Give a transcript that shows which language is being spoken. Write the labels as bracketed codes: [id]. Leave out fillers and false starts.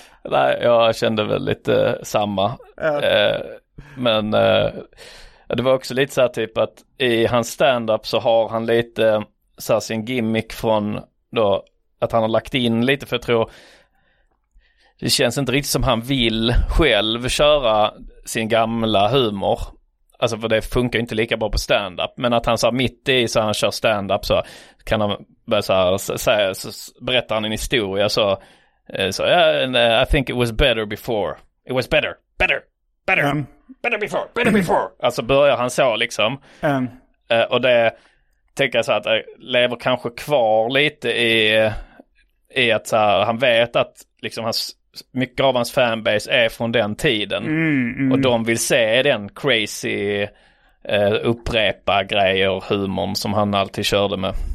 [sv] Nej, jag kände väl lite samma. Men det var också lite så här typ att i hans stand-up så har han lite så här sin gimmick från då, att han har lagt in lite, för jag tror det känns inte riktigt som han vill själv köra sin gamla humor. Alltså, för det funkar inte lika bra på stand-up. Men att han så mitt i så han kör stand-up så kan han börja säga, så berättar han en historia. [en] Så yeah, I think it was better before. It was better, better, better, better before, better before. [sv] Alltså börjar han så liksom. Och det tänker jag så att jag lever kanske kvar lite i att så här, han vet att liksom hans, mycket av hans fanbase är från den tiden. Och de vill se den crazy upprepa grejer och humor som han alltid körde med.